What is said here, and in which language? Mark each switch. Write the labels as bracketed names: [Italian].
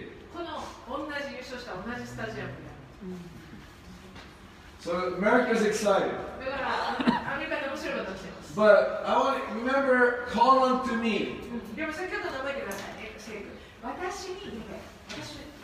[Japanese] この同じ優勝した同じスタジアムで、 [English] So America's excited. [Japanese] だからアメリカで面白いことしてます。 [English] But I want to remember, call unto me. [Japanese] でも先ほど覚えてください、私に言って、私